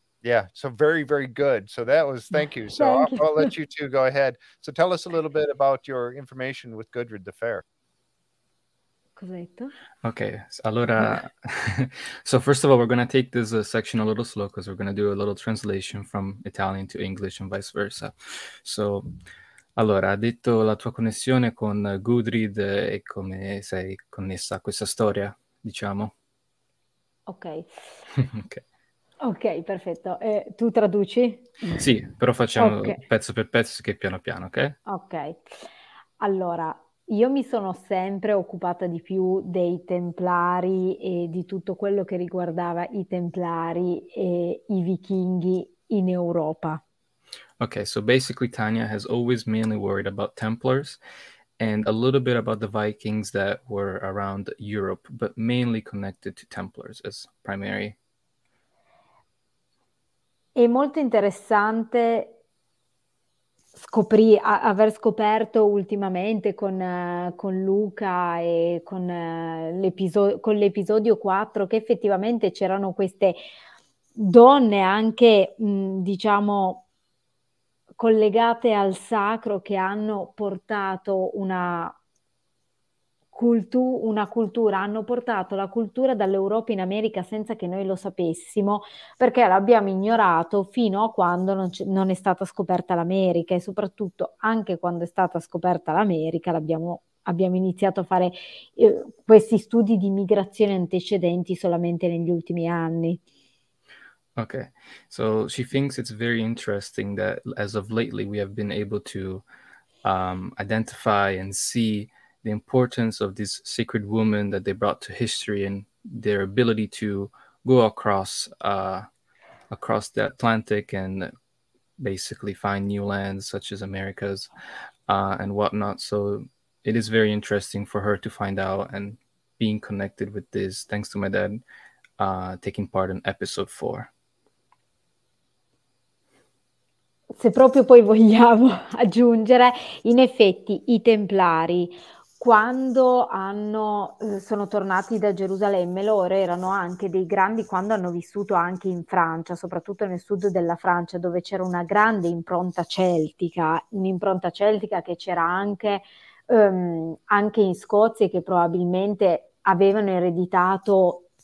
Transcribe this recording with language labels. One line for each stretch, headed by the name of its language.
English: Yeah, so very, very good. So that was, thank you. So I'll let you two go ahead. So tell us a little bit about your information with Gudrid the Fair.
Italian: Okay, allora.
English: So first of all, we're going to take this section a little slow because we're going to do a little translation from Italian to English and vice versa.
Italian: So, allora, detto la tua connessione con Gudrid e come sei connessa a questa storia, diciamo.
English: Okay. Okay.
Italian: Ok, perfetto. Tu traduci? Sì, però facciamo pezzo per pezzo, che piano piano, ok? Ok. Allora, io mi sono sempre occupata di più dei Templari e di tutto quello che riguardava i Templari e i Vichinghi in Europa.
English: Ok, so basically Tanya has always mainly worried about Templars and a little bit about the Vikings that were around Europe, but mainly connected to Templars as primary.
Italian: È molto interessante aver scoperto ultimamente con Luca e con l'episodio 4 che effettivamente c'erano queste donne anche, diciamo, collegate al sacro che hanno portato hanno portato la cultura dall'Europa in America senza che noi lo sapessimo, perché l'abbiamo ignorato fino a quando non è stata scoperta l'America, e soprattutto anche quando è stata scoperta l'America l'abbiamo abbiamo iniziato a fare questi studi di migrazione antecedenti solamente negli ultimi anni.
English: Okay, so she thinks it's very interesting that as of lately we have been able to identify and see the importance of this sacred woman that they brought to history and their ability to go across across the Atlantic and basically find new lands such as Americas and whatnot. So it is very interesting for her to find out and being connected with this, thanks to my dad taking part in episode 4.
Italian: Se proprio poi vogliamo aggiungere, in effetti i Templari, quando sono tornati da Gerusalemme, loro erano anche dei grandi, quando hanno vissuto anche in Francia, soprattutto nel sud della Francia, dove c'era una grande impronta celtica, un'impronta celtica che c'era anche, anche in Scozia, che probabilmente avevano ereditato